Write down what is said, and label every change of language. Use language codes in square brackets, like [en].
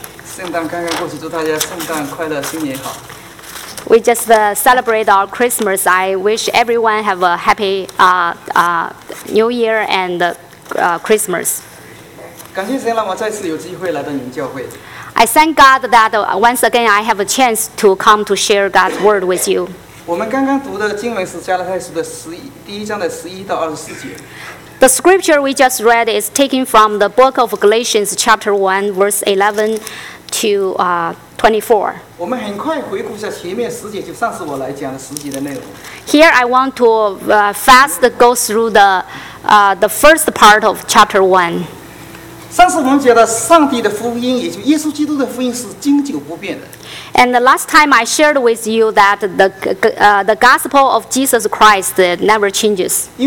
[zh] 圣诞刚刚过去，祝大家圣诞快乐，新年好。 [en] We just celebrate our Christmas. I wish everyone have a happy New Year and Christmas. [zh] 感谢神，让我再次有机会来到你们教会。 [en] I thank God that once again I have a chance to come to share God's word with you. [zh] 我们刚刚读的经文是加拉太书的第一章的十一到二十四节。 [en] The scripture we just read is taken from the book of Galatians, chapter 1, verse 11 to 24. [zh] 我们很快回顾一下前面十节，就上次我来讲的十节的内容。 [en] Here I want to fast go through the first part of chapter 1. [zh] 上次我们觉得上帝的福音，也就是耶稣基督的福音是经久不变的。 [en] And the last time I shared with you that the gospel of Jesus Christ never changes.